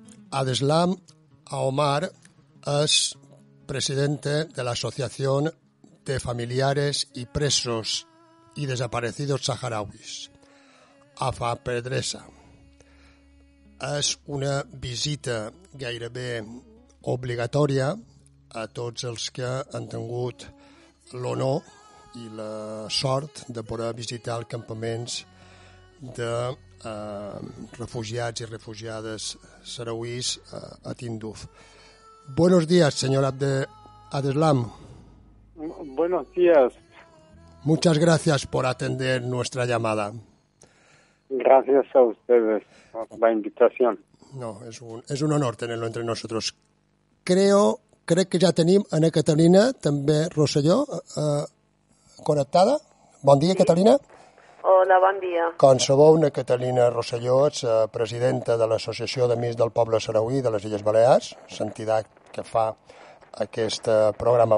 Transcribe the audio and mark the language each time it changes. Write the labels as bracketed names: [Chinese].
[Spanish] Adeslam Omar es presidente de la Asociación de Familiares y Presos y Desaparecidos Saharauis, AFAPEDRESA. [Catalan] Es una visita gairebé obligatòria a tots els que han tingut l'honor i la sort de poder visitar els campaments de refugiats i refugiades sarauís a Tindouf. [Spanish] Buenos días, señor Adeslam. Buenos días. Muchas gracias por atender nuestra llamada. Gracias a ustedes por la invitación. No, es un honor tenerlo entre nosotros. [Catalan] Crec que ja tenim Ana Catalina, també Rosselló, connectada. Bon dia, sí. Catalina. Hola, bon dia. Com sabeu, una Catalina Rosselló, és presidenta de l'Associació d'Amics del Poble Sarauí de les Illes Balears, l'entitat que fa aquest programa.